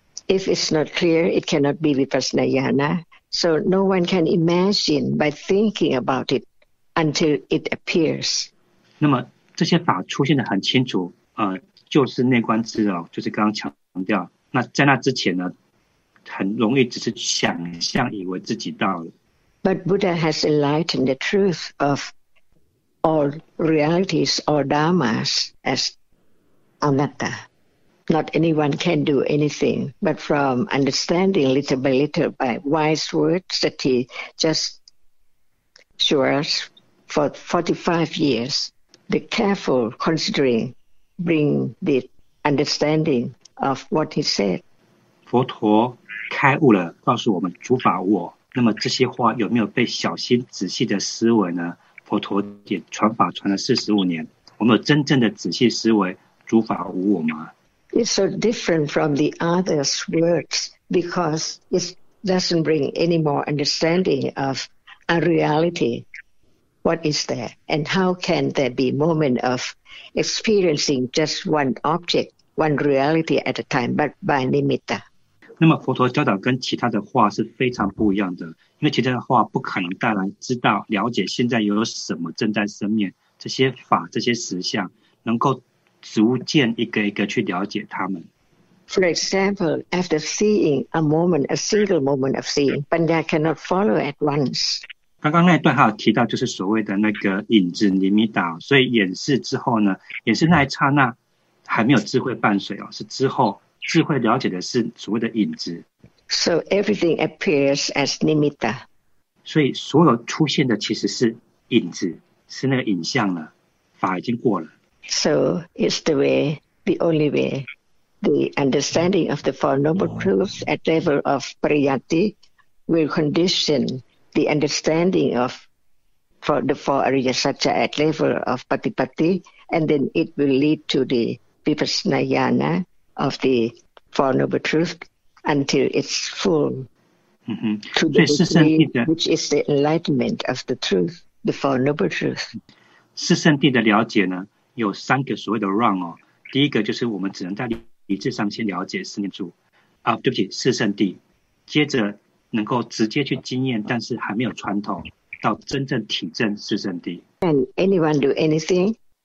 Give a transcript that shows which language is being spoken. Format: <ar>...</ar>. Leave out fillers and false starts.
<en>？If it's not clear, it cannot be Vipassanayana. So no one can imagine by thinking about it. Until it appears.</en> <zh>那么这些法出现得很清楚，就是内观智哦，就是刚刚强调。那在那之前呢，很容易只是想象，以为自己到了。</zh> <en>But Buddha has enlightened the truth of all realities or dharmas as anatta. Not anyone can do anything, but from understanding little by little by wise words that he just shows. For 45 years, the careful considering bring the understanding of what he said.</en> <zh>佛陀开悟了，告诉我们诸法无我。那么这些话有没有被小心仔细的思维呢？佛陀也传法传了45年，我们有真正的仔细思维诸法无我吗</zh> <en>？It's so different from the others' words because it doesn't bring any more understanding of a reality. What is there, and how can there be moment of experiencing just one object, one reality at a time, but by nimitta?</en> <zh>那么佛陀教导跟其他的话是非常不一样的，因为其他的话不可能带来知道、了解现在有什么正在生灭，这些法、这些实相能够逐渐一个一个去了解他们。</zh> <en>For example, after seeing a moment, a single moment of seeing, Panya cannot follow at once.</en> <zh>刚刚那一段还有提到，就是所谓的那个影子尼米达，所以演示之后呢，演示那一刹那还没有智慧伴随哦，是之后智慧了解的是所谓的影子。</zh> <en>So everything appears as nimitta.</en> <zh>所以所有出现的其实是影子，是那个影像了，法已经过了。</zh> <en>So it's the way, the only way the understanding of the Four Noble Truths at level of Pariyatti will condition the understanding of the Four Ariya Satcha at level of Patipatti, and then it will lead to the Vipassanayana of the Four Noble Truths until it's full. Mm-hmm. To the degree, which is the enlightenment of the truth, the Four Noble Truths.</en> <zh>师圣谛的了解呢, 有三个所谓的 run 哦, 第一个就是我们只能在理智上先了解四念处, 啊, 对不起, 师圣谛, 接着能够直接去经验, 但是还没有穿透, 到真正体证四圣谛。</zh> <en>Can anyone do anything?</en>